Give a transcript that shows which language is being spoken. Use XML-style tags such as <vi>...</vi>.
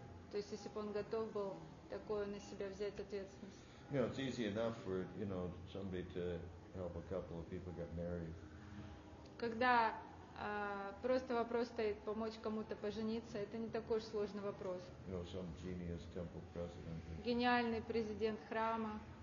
<ru>То есть, если бы он готов был такое на себя взять ответственность.</ru> <en>You know, it's easy enough for, you know, somebody to help a couple of people get married.</en> <ru>Когда просто вопрос стоит помочь кому-то пожениться, это не такой уж сложный вопрос.</ru> <en>You know, some genius temple president.</en> <ru>Гениальный президент храма.</ru>